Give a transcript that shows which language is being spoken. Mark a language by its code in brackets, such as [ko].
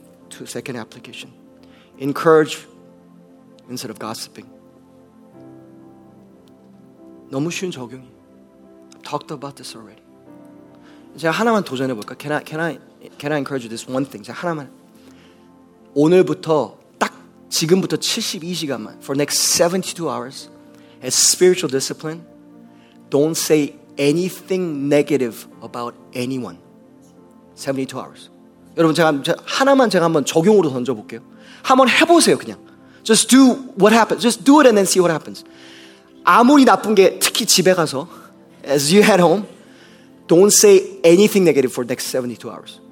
[en] Second application. Encourage instead of gossiping. [ko] 너무 쉬운 적용이. [en] Talked about this already. [ko] 제가 하나만 도전해볼까? [en] Can I encourage you this one thing? [ko] 제가 하나만. 오늘부터 딱 지금부터 72시간만 [en] for next 72 hours as spiritual discipline, don't say anything negative about anyone. 72 hours. [ko] 여러분 제가 하나만 제가 한번 적용으로 던져볼게요. 한번 해보세요 그냥. [en] Just do what happens. Just do it and then see what happens. [ko] 아무리 나쁜 게 특히 집에 가서 [en] as you head home, don't say anything negative for the next 72 hours.